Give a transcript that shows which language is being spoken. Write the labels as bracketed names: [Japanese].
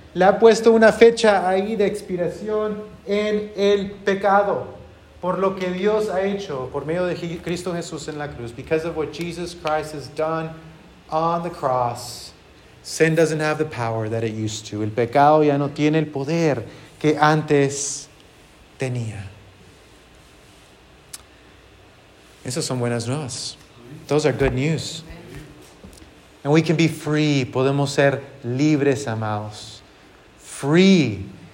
[Spanish] Le ha puesto una fecha ahí de expiración en el pecado. Por lo que Dios ha hecho por medio de Cristo Jesús en la cruz. [English] Because of what Jesus Christ has done on the cross, sin doesn't have the power that it used to. [Spanish] El pecado ya no tiene el poder que antes tenía. Esas son buenas nuevas. [English] Those are good news. And we can be free. [Spanish] Podemos ser libres, amados. Free.